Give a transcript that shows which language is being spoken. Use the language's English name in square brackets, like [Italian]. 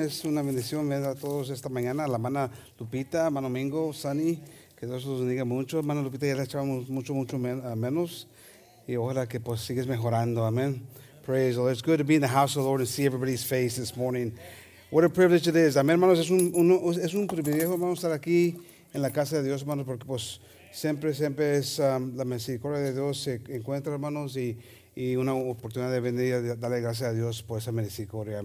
[Spanish] Es una bendición ver a todos esta mañana. La hermana Lupita, hermano Mingo, Sunny, que Dios los bendiga mucho. Hermana Lupita, ya la echamos mucho, mucho menos. Y ahora que pues sigues mejorando. Amen. [English] Praise the Lord. It's good to be in the house of the Lord and see everybody's face this morning. What a privilege it is. Amen, hermanos. [Spanish] Es un privilegio, hermanos, estar aquí en la casa de Dios, hermanos, porque pues siempre es la misericordia de Dios se encuentra, hermanos, y una oportunidad de venir a darle gracias a Dios por esa misericordia.